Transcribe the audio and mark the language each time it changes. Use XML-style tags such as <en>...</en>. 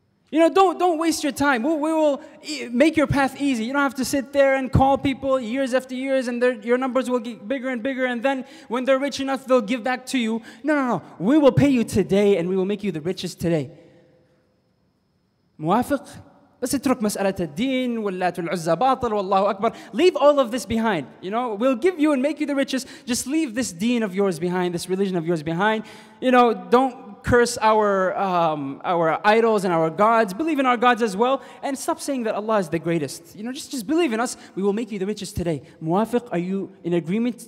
<en>You know, don't waste your time. We will make your path easy. You don't have to sit there and call people years after years, and your numbers will get bigger and bigger, and then when they're rich enough, they'll give back to you. No. We will pay you today, and we will make you the richest today.</en> <ar>موافق؟ بس اترك مسألة الدين واللات العزة باطل والله أكبر.</ar> <en>Leave all of this behind. You know, we'll give you and make you the richest. Just leave this deen of yours behind, this religion of yours behind. You know, don't curse our idols and our gods. Believe in our gods as well. And stop saying that Allah is the greatest. You know, just believe in us. We will make you the richest today.</en> <ar>موافق,</ar> <en>are you in agreement?</en>